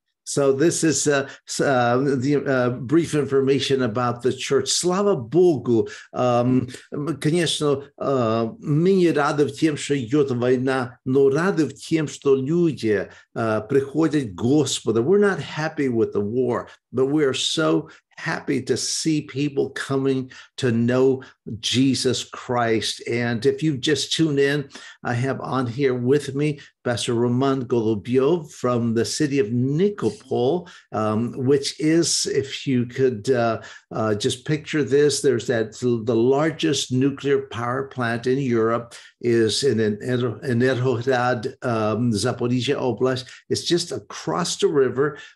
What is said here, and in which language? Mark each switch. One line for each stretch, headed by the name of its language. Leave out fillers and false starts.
English: So this is brief information about the church.
Russian: Слава Богу! Конечно, мы рады в тем, что идет война, но рады в тем, что люди приходят к Господу.
English: We're not happy with the war, but we are so happy to see people coming to know Jesus Christ. And if you just tune in, I have on here with me Pastor Roman Golubev from the city of Nikopol, which is, if you could just picture this, there's that the largest nuclear power plant in Europe is in Enerhodad, Zaporizhia Oblast. It's just across the river